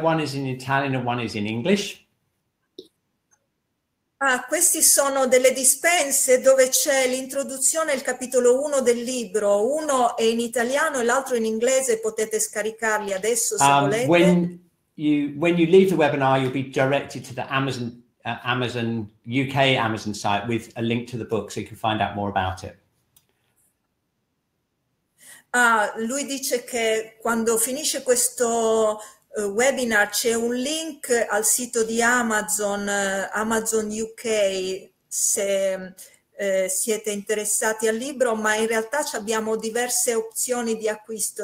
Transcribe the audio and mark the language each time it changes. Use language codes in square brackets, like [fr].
[en] One is in Italian and one is in English. [it] Ah, questi sono delle dispense dove c'è l'introduzione, il capitolo 1 del libro. Uno è in italiano e l'altro in inglese. Potete scaricarli adesso se volete. [en] When you leave the webinar, you'll be directed to the Amazon UK Amazon site with a link to the book, so you can find out more about it. [it] Ah, lui dice che quando finisce questo webinar c'è un link al sito di Amazon, Amazon UK, se siete interessati al libro, ma in realtà ci abbiamo diverse opzioni di acquisto.